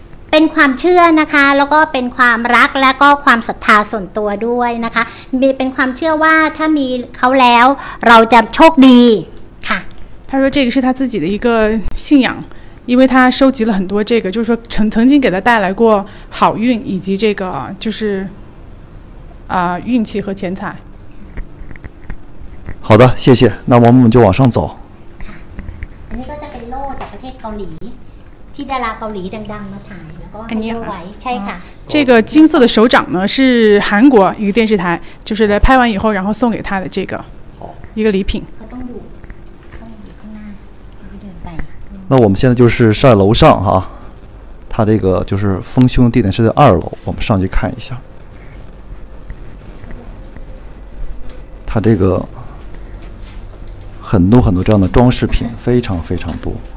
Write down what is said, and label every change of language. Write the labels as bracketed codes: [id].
[th] เป็นความเชื่อนะคะแล้วก็เป็นความรักและก็ความศรัทธาส่วนตัวด้วยนะคะมีเป็นความเชื่อว่าถ้ามีเขาแล้วเราจะโชคดีค่ะ [zh] 他说这个是他自己的一个信仰因为他收集了很多这个就是说曾经给他带来过好运以及这个就是运气和钱财好的谢谢那我们就往上走 [th] ค่ะอันนี้ก็จะเป็นโล่จากประเทศเกาหลีที่ดาราเกาหลีดังๆมาถ่าย แล้วก็ให้ดูไว้ใช่ค่ะ 这个金色的手掌呢是韩国一个电视台就是来拍完以后然后送给他的这个一个礼品 เขาต้องอยู่ต้องอยู่ข้างหน้าเขาจะเดิ [zh] นไป那我们现在就是在楼上哈他这个就是丰胸地点是在二楼我们上去看一下他这个很多很多这样的装饰品非常非常多